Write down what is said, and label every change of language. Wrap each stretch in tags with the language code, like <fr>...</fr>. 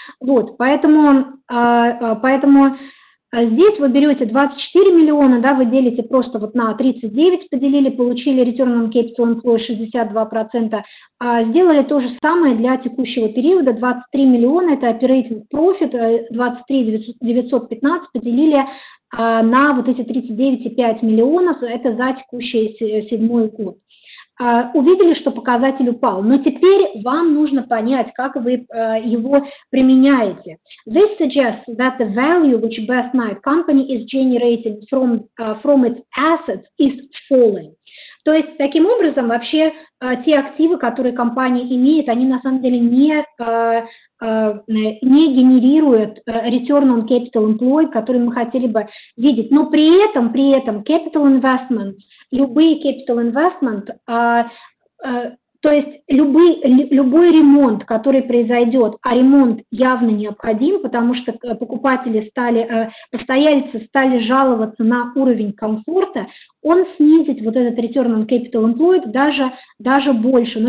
<ru>Вот, поэтому здесь вы берете 24 миллиона, да, вы делите просто вот на 39, поделили, получили return on capital employed 62%, сделали то же самое для текущего периода, 23 миллиона, это operating profit, 23 915, поделили на вот эти 39,5 миллионов, это за текущий седьмой год. Увидели, что показатель упал, но теперь вам нужно понять, как вы его применяете.</ru> <en>This suggests that the value which Best Night Company is generating from its assets is falling.</en> <ru>То есть, таким образом, вообще, те активы, которые компания имеет, они на самом деле не генерируют return on capital employed, который мы хотели бы видеть. Но при этом capital investment, любые capital investment, то есть любой ремонт, который произойдет, а ремонт явно необходим, потому что постояльцы стали жаловаться на уровень комфорта, он снизит вот этот return on capital employed даже больше.</ru>